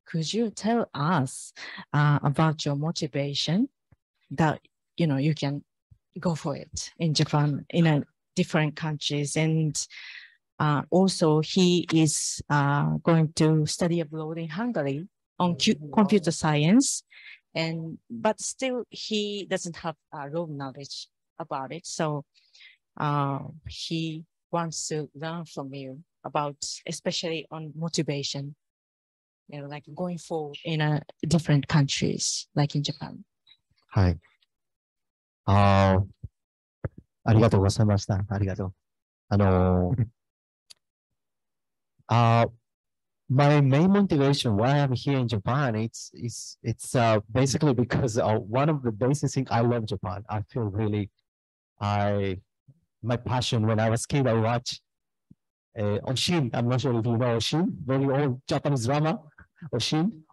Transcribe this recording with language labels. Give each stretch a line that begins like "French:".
English: you tell us about your motivation that you know you can go for it in Japan in a different countries, and also he is going to study abroad in Hungary on computer science, and but still he doesn't have a real knowledge about it, so he wants to learn from youabout, especially on motivation, you know, like going for in a different countries, like in Japan.
Japanese: はい。ありがとうございました。ありがとう。
English: my main motivation why I'm here in Japan, it's basically because of one of the basic things, I love Japan. I feel really, my passion when I was kid, I watchedOshin, I'm not sure if you know Oshin, very old Japanese drama. Oshin.